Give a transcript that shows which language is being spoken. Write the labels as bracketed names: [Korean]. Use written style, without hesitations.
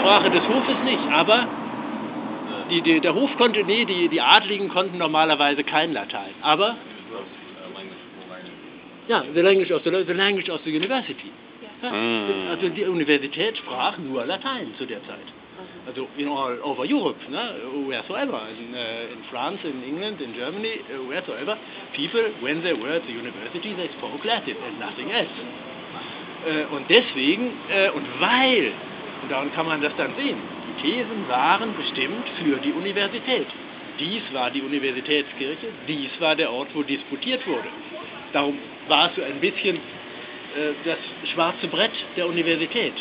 [German] Die Sprache des Hofes nicht, aber der Hof konnte, nee, die Adligen konnten normalerweise kein Latein, aber ja, [English] the language of the university. Yeah. [German] Also die Universität sprach nur Latein zu der Zeit. [English] Also in all over Europe, ne? Wheresoever, in France, in England, in Germany, wheresoever, people, when they were at the university, they spoke Latin and nothing else. [German] Und deswegen, und weil, und daran kann man das dann sehen, die Thesen waren bestimmt für die Universität. Dies war die Universitätskirche, dies war der Ort, wo disputiert wurde. Darum war es so ein bisschen das schwarze Brett der Universität.